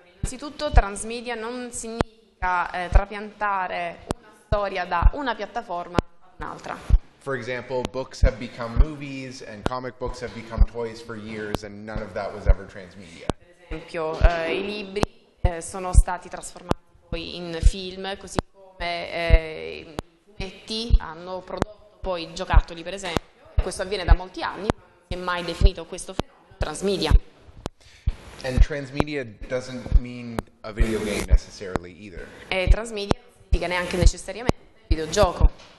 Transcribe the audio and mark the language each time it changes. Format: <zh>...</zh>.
<it>Innanzitutto, transmedia non significa trapiantare una storia da una piattaforma a un'altra.</it> <en>For example, books have become movies and comic books have become toys for years and none of that was ever transmedia.</en> <it>Per esempio, i libri sono stati trasformati poi in film, così come i fumetti hanno prodotto poi giocattoli, per esempio. Questo avviene da molti anni, non si è mai definito questo fenomeno transmedia.</it> <en>And transmedia doesn't mean a video game necessarily either.</en> <it>E transmedia non significa neanche necessariamente un videogioco.</it>